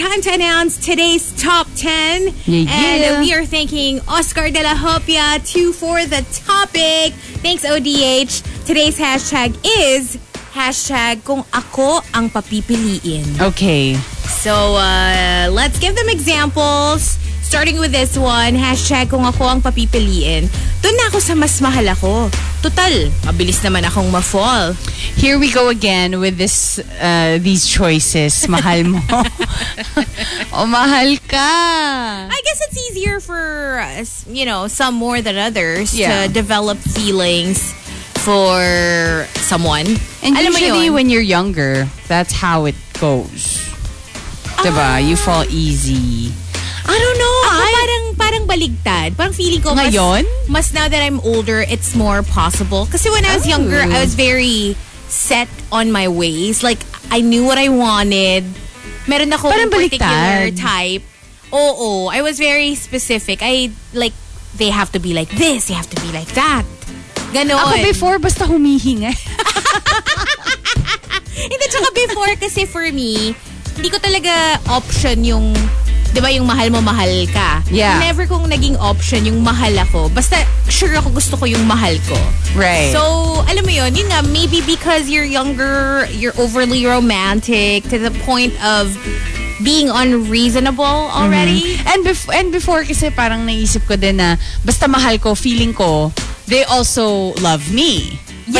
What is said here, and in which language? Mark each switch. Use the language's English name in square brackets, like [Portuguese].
[English] Time to announce today's top 10. Yeah, and yeah. We are thanking Oscar De La Hopia 2 for the topic. Thanks, ODH. Today's hashtag is hashtag [Filipino] kung ako ang papipiliin. [English] Okay. So let's give them examples. Starting with this one, [Filipino] hashtag kung ako ang papipiliin, doon na ako sa mas mahal ako. Total, mabilis naman akong ma-fall. [English] Here we go again with this, these choices. [Filipino] Mahal mo. O mahal ka. [English] I guess it's easier for, you know, some more than others to develop feelings for someone. [Filipino] And alam usually mo yun? [English] When you're younger, that's how it goes. Diba? You fall easy. I don't know. [Filipino] Parang baligtad. Parang feeling ko ngayon? [English] Mas now that I'm older, it's more possible. Kasi when I was younger, I was very set on my ways. Like, I knew what I wanted. [Filipino] Meron ako parang [English] particular [Filipino] baligtad. [English] Type. Oh. I was very specific. I, like, they have to be like this. They have to be like that. [Filipino] Ganon. Ako before, basta humihinga. Hindi, tsaka before, kasi [English] for me, [Filipino] hindi ko talaga option yung... Diba yung mahal mo, mahal ka? [English] Yeah. [Filipino] Never kong naging option yung mahal ako. Basta sure ako gusto ko yung mahal ko. [English] Right. So, [Filipino] alam mo yun nga, [English] maybe because you're younger, you're overly romantic to the point of being unreasonable already. Mm-hmm. And before [Filipino] kasi parang naisip ko din na basta mahal ko, feeling ko, [English] they also love me. [Filipino] But